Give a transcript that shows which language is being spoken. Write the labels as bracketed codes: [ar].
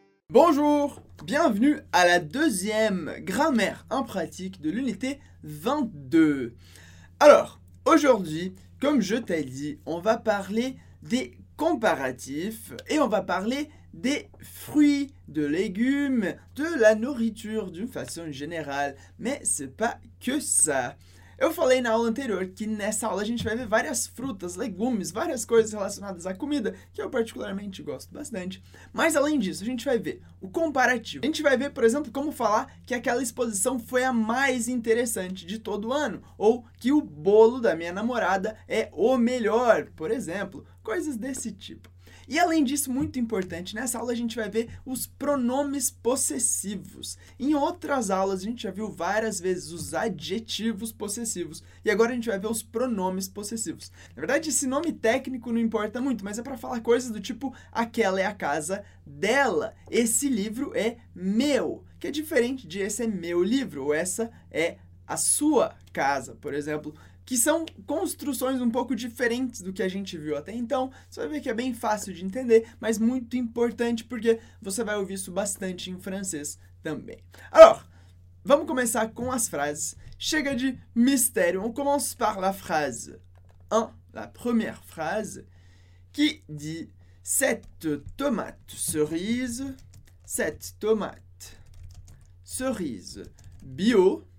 [fr] Bonjour, bienvenue à la deuxième grammaire impratique de l'unité 22. Alors, aujourd'hui, comme je t'ai dit, on va parler des comparatifs et on va parler des fruits, de légumes, de la nourriture d'une façon générale. Mais c'est pas que ça. [pt] Eu falei na aula anterior que nessa aula a gente vai ver várias frutas, legumes, várias coisas relacionadas à comida, que eu particularmente gosto bastante. Mas além disso, a gente vai ver o comparativo. A gente vai ver, por exemplo, como falar que aquela exposição foi a mais interessante de todo o ano. Ou que o bolo da minha namorada é o melhor, por exemplo. Coisas desse tipo. E além disso, muito importante, nessa aula a gente vai ver os pronomes possessivos. Em outras aulas a gente já viu várias vezes os adjetivos possessivos. E agora a gente vai ver os pronomes possessivos. Na verdade, esse nome técnico não importa muito, mas é para falar coisas do tipo aquela é a casa dela, esse livro é meu, que é diferente de esse é meu livro, ou essa é a sua casa, por exemplo, que são construções um pouco diferentes do que a gente viu até então. Você vai ver que é bem fácil de entender, mas muito importante porque você vai ouvir isso bastante em francês também. Alors, vamos começar com as frases. Chega de mistério. [fr] On commence par la phrase 1, la première phrase, qui dit cette tomate cerise bio.